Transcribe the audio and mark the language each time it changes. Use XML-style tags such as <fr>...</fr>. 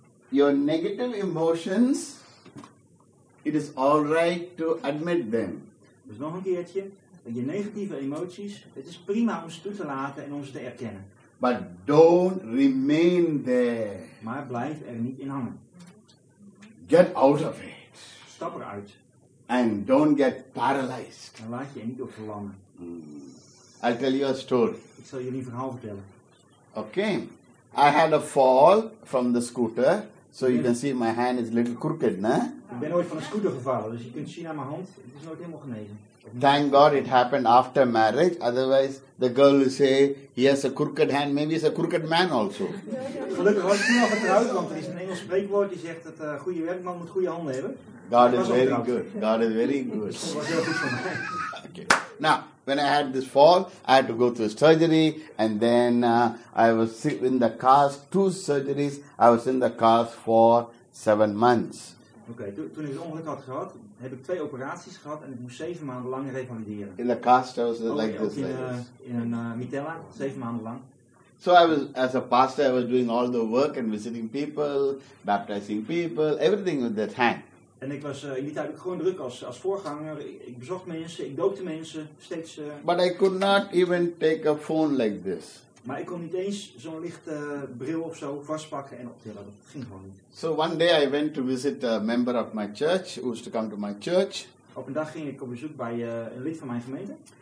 <en>Your negative emotions, it is all right to admit them.</en> <nl>Dus nog een keertje, je negatieve emoties, het is prima om ze toe te laten en om ze te erkennen.</nl> <en>But don't remain there.</en> <nl>Maar blijf er niet in hangen.</nl> <en>Get out of it.</en> <nl>Stap eruit.</nl> <en>And don't get paralyzed.</en> <nl>En laat je niet overlammen.</nl> <en>I'll tell you a story.</en> <nl>Ik zal jullie een verhaal vertellen.</nl> <en>Okay. I had a fall from the scooter. So you can see my hand is a little crooked, na?</en> <nl>Ik ben ooit van een scooter gevallen, dus je kunt zien aan mijn hand. Het is nooit helemaal genezen.</nl> <en>Thank God it happened after marriage. Otherwise, the girl will say, he has a crooked hand, maybe he's a crooked man also.</en> <nl>Gelukkig was ik nu al getrouwd, want er is een Engels spreekwoord die zegt dat goede werkman moet goede handen hebben.</nl> <en>God is very good. God is very good.</en> <nl>Dat was heel goed voor mij.</nl> <en>Okay. Now, when I had this fall, I had to go through surgery, and then I was sick in the car, two surgeries. I was in the car for 7 months.</en> <nl>Okay, toen ik het ongeluk had gehad, heb ik twee operaties gehad en ik moest 7 maanden lang revalideren.</nl> <en>In the cast, I was like this.</en> <nl>In een Mitella, 7 maanden lang.</nl> <en>So I was, as a pastor, I was doing all the work and visiting people, baptizing people, everything with that hand.</en> <nl>En ik was in die tijd ook gewoon druk als voorganger. Ik bezocht mensen, ik dookte mensen steeds.</nl> <en>But I could not even take a phone like this.</en> <nl>Maar ik kon niet eens zo'n lichte bril of zo vastpakken en optillen. Dat ging gewoon niet.</nl> <en>So one day I went to visit a member of my church who used to come to my church.</en> <nl>Op een dag ging ik op bezoek bij een lid van mijn gemeente.</nl>